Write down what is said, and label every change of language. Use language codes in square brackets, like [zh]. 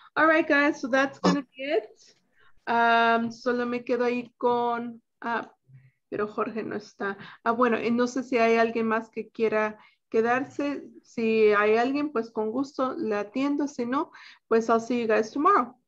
[en] All right, guys, so that's gonna be it. [es] Solo me quedo ahí con, pero Jorge no está. Bueno, y no sé si hay alguien más que quiera quedarse. Si hay alguien, pues con gusto le atiendo. Si no, pues [en] I'll see you guys tomorrow.